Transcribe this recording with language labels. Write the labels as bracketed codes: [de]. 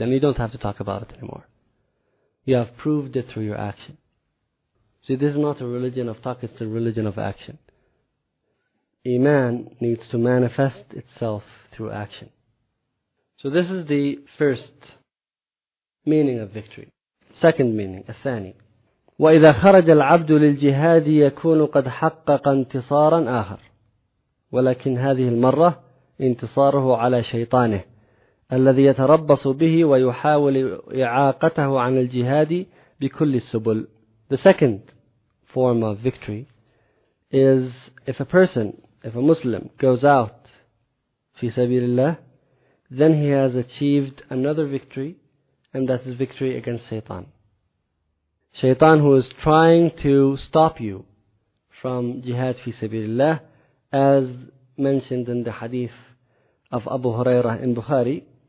[en] And you don't have to talk about it anymore. You have proved it through your action. See, this is not a religion of talk, it's a religion of action. Iman needs to manifest itself through action. So this is the first meaning of victory. Second meaning, [ar] الثاني. وَإِذَا خَرَجَ الْعَبْدُ لِلْجِهَادِ يَكُونُ قَدْ حَقَّقَ انْتِصَارًا آخَرٌ وَلَكِنْ هَذِهِ الْمَرَّةِ انْتِصَارُهُ عَلَى شَيْطَانِهِ الذي يتربص به ويحاول إعاقته عن الجهاد بكل السبل. [en] The second form of victory is if a Muslim goes out [ar] في سبيل الله, [en] then he has achieved another victory, and that is victory against Shaytan. Shaytan, who is trying to stop you from jihad [ar] في سبيل الله, [en] as mentioned in the hadith of Abu Hurairah in Bukhari,